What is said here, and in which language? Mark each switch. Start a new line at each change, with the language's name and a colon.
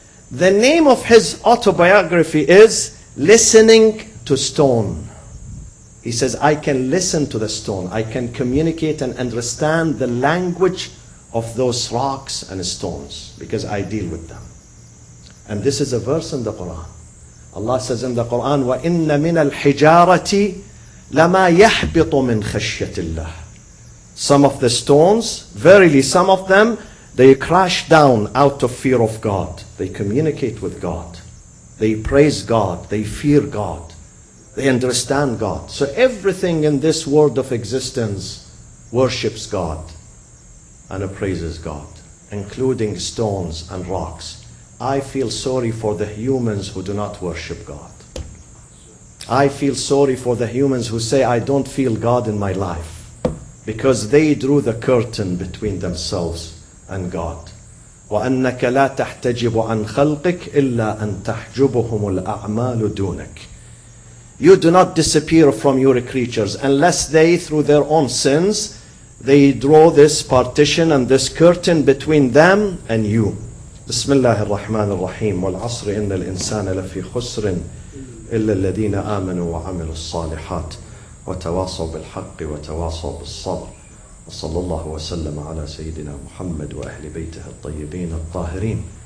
English: The name of his autobiography is Listening to Stone. He says, I can listen to the stone. I can communicate and understand the language of those rocks and stones because I deal with them. And this is a verse in the Quran.
Arabic: Allah says in the Quran, وَإِنَّ مِنَ الْحِجَارَةِ لَمَا يَحْبِطُ مِنْ خَشْيَةِ اللَّهِ.
English: Some of the stones, verily some of them, they crash down out of fear of God. They communicate with God. They praise God. They fear God. They understand God. So everything in this world of existence worships God and praises God, including stones and rocks. I feel sorry for the humans who do not worship God. I feel sorry for the humans who say, I don't feel God in my life. Because they drew the curtain between themselves and God.
Arabic: وَأَنَّكَ لَا تَحْتَجِبُ عَنْ خَلْقِكَ إِلَّا أَنْ تَحْجُبُهُمُ الْأَعْمَالُ دُونَكَ.
English: You do not disappear from your creatures unless they, through their own sins, they draw this partition and this curtain between them and you.
Arabic: بسم الله الرحمن الرحيم والعصر إن الإنسان لفي خسر إلا الذين آمنوا وعملوا الصالحات وتواصوا بالحق وتواصوا بالصبر وصلى الله وسلم على سيدنا محمد وأهل بيته الطيبين الطاهرين